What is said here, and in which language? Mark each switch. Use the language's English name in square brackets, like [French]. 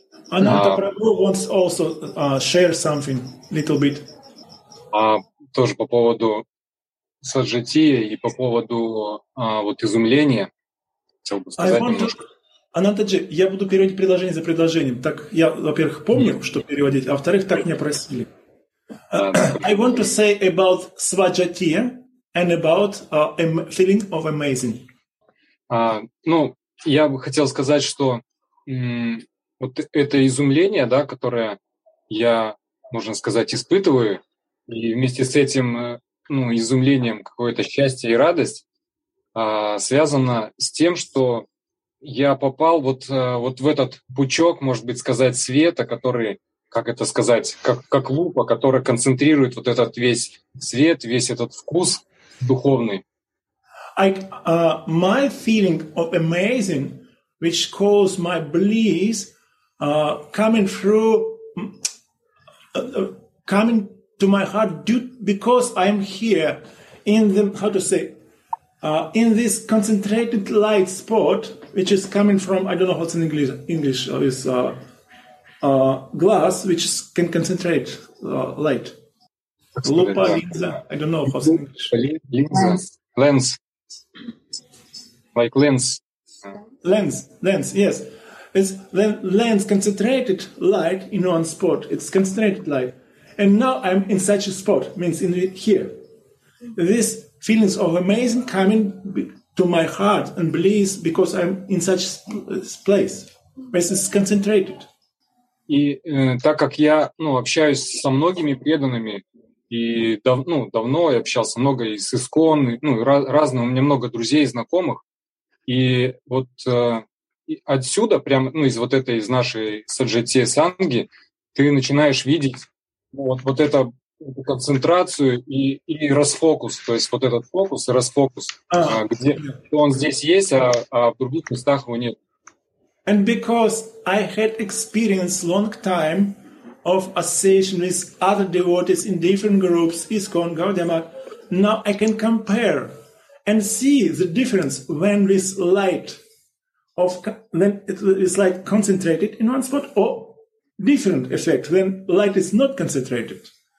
[English] Ананта Прабху wants also share something little bit. [Russian] Тоже по поводу саджатии и по поводу вот изумления. Хотел бы сказать немножко. Ананта-джи, я буду переводить предложение за предложением. Так я, во-первых, помню, что переводить, а во-вторых, так меня просили. [English] I want to say about svajatiya and about feeling of amazing. [Russian] Ну, я бы хотел сказать, что вот это изумление, да, которое я, можно сказать, испытываю, и вместе с этим изумлением какое-то счастье и радость связано с тем, что я попал вот в этот пучок, может быть, сказать, света, который, как это сказать, как лупа, которая концентрирует вот этот весь свет, весь этот вкус духовный. [English] My feeling of amazing, which calls my bliss, coming through, coming to my heart, because I'm here in the, how to say, in this concentrated light spot, which is coming from, I don't know what's in English, is glass, which can concentrate light. [Russian] Lupa, linza, [English] I don't know what's in English. Lens. Like lens. Lens, yes. It's lens, concentrated light in one spot. It's concentrated light. And now I'm in such a spot, means in here. This feelings of amazing coming to my heart and bliss because I'm in such place. This is concentrated. [Russian] И так как я, общаюсь со многими преданными и давно я общался много и с ИСКОН, разные, у меня много друзей и знакомых. И вот отсюда прямо, из вот этой из нашей саджати санги, ты начинаешь видеть вот это концентрацию и расфокус, то есть вот этот фокус и расфокус, где он здесь есть, а в других местах его нет. [English] And because I had experience long time of association with other devotees in different groups, ISKCON, Gaudiya, now I can compare and see the difference when this light of when it is like concentrated in one spot or different effect when light is not concentrated.